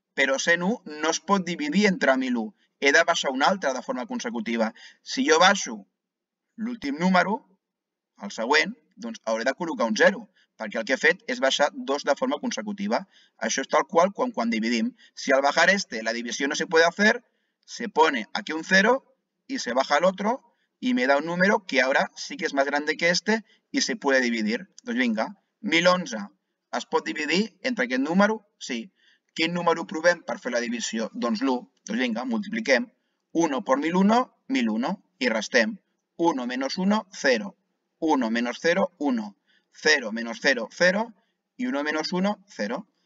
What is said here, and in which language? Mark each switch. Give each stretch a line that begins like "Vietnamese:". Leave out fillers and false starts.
Catalan: Però 101 no es pot dividir entre 1001. He de baixar un altre de forma consecutiva. Si jo baixo l'últim número, el següent, doncs hauré de col·locar un 0, perquè el que he fet és baixar 2 de forma consecutiva. Això és tal qual quan dividim.
Spanish: Si al bajar este
Catalan: la divisió
Spanish: no se puede hacer, se pone aquí un 0 y se baja el otro y me da un número que ahora sí que es más grande que este y se puede dividir.
Catalan: Doncs vinga, 1011. Es pot dividir entre aquest número? Sí. Quin número provem per fer la divisió? Doncs l'1. Doncs vinga, multipliquem. 1 per 1001, 1001. I restem.
Spanish: 1 menos 1, 0. 1 menos 0, 1. 0 menos 0, 0.
Catalan: I
Spanish: 1 menos 1, 0.